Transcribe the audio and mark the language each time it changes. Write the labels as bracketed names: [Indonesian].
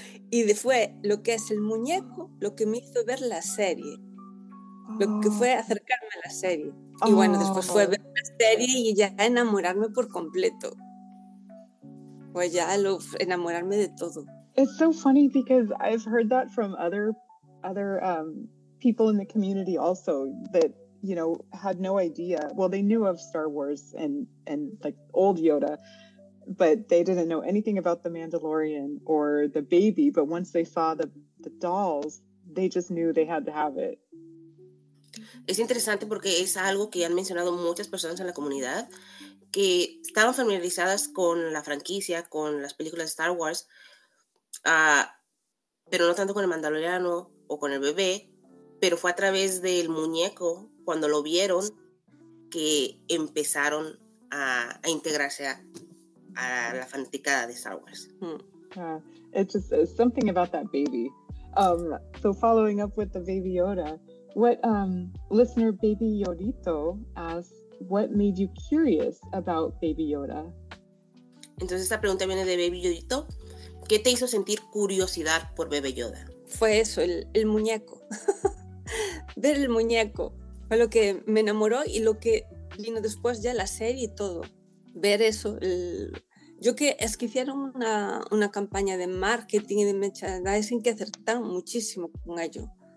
[Spanish] Y fue lo que es el muñeco lo que me hizo ver la serie. Lo que fue acercarme a la serie. Y bueno, después fue ver la serie y ya enamorarme por completo. Fue ya enamorarme de todo. [English] It's so funny because I've heard that from other people in the community also, that, you know, had no idea. Well, they knew of Star Wars and like old Yoda, but they didn't know anything about the Mandalorian or the baby. But once they saw the dolls, they just knew they had to have it. [Spanish] Es interesante porque es algo que han mencionado muchas personas en la comunidad, que estaban familiarizadas con la franquicia, con las películas de Star Wars, pero no tanto con el Mandaloriano o con el bebé, pero fue a través del muñeco, cuando lo vieron, que empezaron a integrarse a la fanaticada de Star Wars. [English] It's just something about that baby. So following up with the Baby Yoda, what listener Baby Yodito asked, what made you curious about Baby Yoda? [Spanish] Entonces esta pregunta viene de Baby Yodito. ¿Qué te hizo sentir curiosidad por Baby Yoda? Fue eso, el muñeco. Ver el muñeco. Fue lo que me enamoró y lo que vino después ya la serie y todo. Ver eso. Es que hicieron una campaña de marketing y de merchandising que acertaron muchísimo con ello.